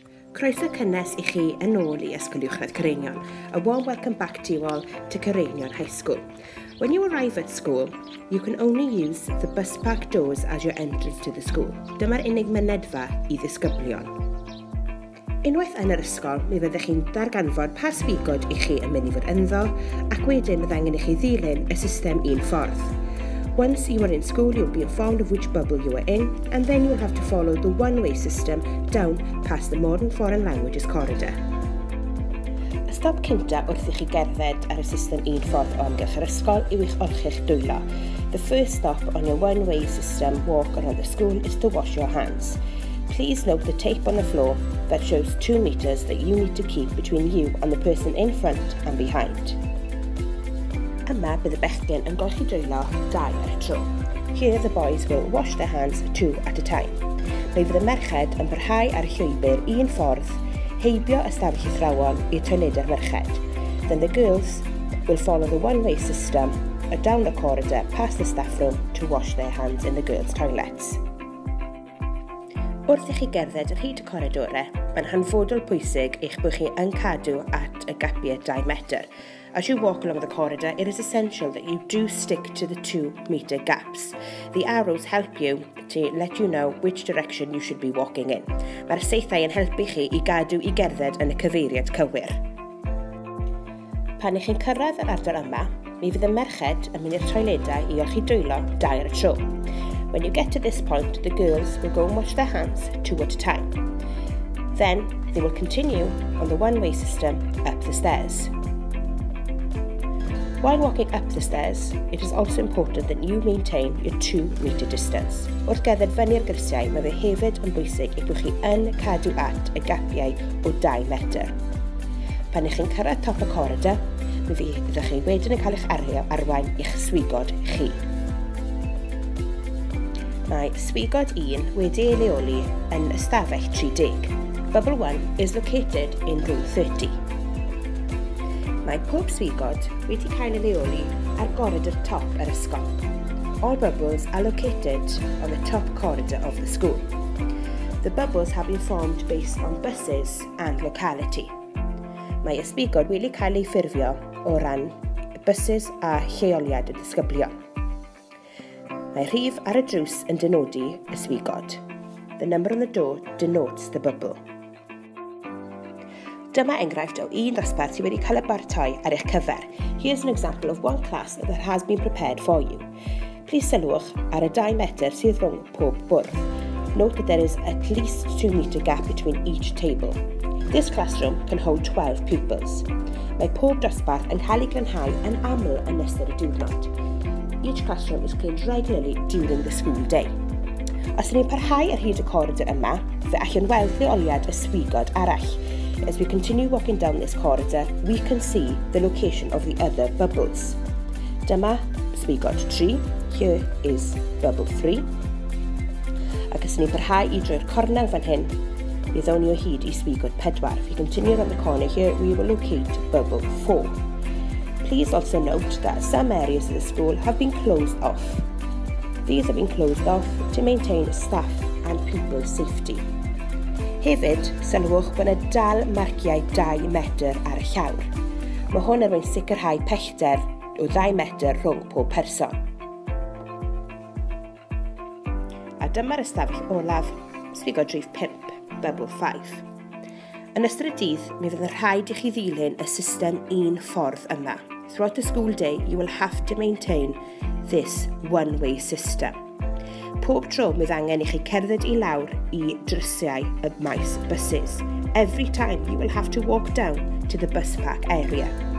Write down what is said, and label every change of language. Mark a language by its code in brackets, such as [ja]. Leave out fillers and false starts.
[cy] Croeso cynnes I chi yn ôl I Ysgol Uwchradd Caereinion. [en] A warm welcome back to you all to Caereinion High School. When you arrive at school, you can only use the bus park doors as your entrance to the school. [cy] Dyma'r unig mynedfa I ddisgyblion. Unwaith yn yr ysgol, mi fyddech chi'n darganfod pa sbigod I chi yn mynd I fod ynddo, ac wedyn bydd angen I chi ddilyn y system un ffordd. [en] Once you are in school, you'll be informed of which bubble you are in, and then you'll have to follow the one-way system down past the Modern Foreign Languages corridor. [cy] Y stop cynta wrth I chi gerdded ar y system un ffordd o amgylch yr ysgol yw eich olchi'ch dwylo. [en] The first stop on your one-way system walk around the school is to wash your hands. Please note the tape on the floor that shows 2 meters that you need to keep between you and the person in front and behind. [cy] Yma bydd y bechgyn yn golchi dwylo 2 ar y tro. [en] Here the boys will wash their hands 2 at a time. [cy] Mae fydd y merched yn parhau ar y llwybr un ffordd, heibio ystafell athrawon i'r trenedau'r merched. [en] Then the girls will follow the one-way system down the corridor past the staff room to wash their hands in the girls' toilets. [cy] Wrth I chi gerdded yr hyd y corridorau, mae'n hanfodol pwysig eich bod chi yn cadw at y gapiau 2 metr. [en] As you walk along the corridor, it is essential that you do stick to the 2 metre gaps. The arrows help you to let you know which direction you should be walking in. [cy] Mae'r saethau yn helpu chi I gadw I gerdded yn y cyfeiriad cywir. Pan ych chi'n cyrraedd yr ardal yma, mi fydd y merched yn mynd i'r toiledau I olchi dwylo 2 ar y tro. [en] When you get to this point, the girls will go and wash their hands 2 at a time. Then they will continue on the one-way system up the stairs. While walking up the stairs, it is also important that you maintain your 2 metre distance. [cy] Wrth gerdded fyny'r grisiau, mae fe hefyd yn bwysig eich bod chi yn cadw at y gapiau o 2 metr. Pan ych chi'n cyrraedd top y corridor, mi fyddwch chi wedyn yn cael eich arwain arwain eich swigod chi. Mae swigod 1 wedi'i leoli yn ystafell 30. [en] Bubble 1 is located in room 30. [cy] Mae pob swigod wedi cael ei leoli ar goridor top yr ysgol. [en] All bubbles are located on the top corridor of the school. The bubbles have been formed based on buses and locality. [cy] Mae y swigod wedi cael ei ffurfio o ran buses a lleoliad y disgyblion. Mae rhif ar y drws yn denodi y swigod. [en] The number on the door denotes the bubble. [cy] Dyma enghraifft o un ddosbarth sydd wedi cael y baratoi ar eich cyfer. [en] Here's an example of one class that has been prepared for you. Please [cy] sylwch ar y 2 metr sydd rhwng pob bwrdd. [en] Note that there is at least 2 metre gap between each table. This classroom can hold 12 pupils. [cy] Mae pob dosbarth yn cael ei glanhau yn aml yn ystod y diwrnod. [en] Each classroom is cleaned regularly during the school day. [cy] Os ydym ni'n parhau ar hyd y corridor yma, fe allan weld leoliad y swigod arall. [en] As we continue walking down this corridor, we can see the location of the other bubbles. [cy] Dyma swigod 3, [en] here is bubble 3. [cy] Ac os ni'n parhau I drwy'r cornel fan hyn, bydd o'n o hyd I swigod 4. [en] If we continue on the corner here, we will locate bubble 4. Please also note that some areas of the school have been closed off. These have been closed off to maintain staff and pupil safety. [cy] Hefyd, sylwch bod yna dal marciau 2 metr ar y llawr. Mae hwn yn sicrhau pellter o 2 metr rhwng pob person. A dyma'r ystafell olaf, swigod drif 5, [en] bubble 5. [cy] Yn ystod y dydd, mi fydd yn rhaid I chi ddilyn y system un ffordd yma. [en] Throughout the school day, you will have to maintain this one-way system. [cy] Pob tro bydd angen I chi cerdded I lawr I drysiau y maes buses. [en] Every time you will have to walk down to the bus park area.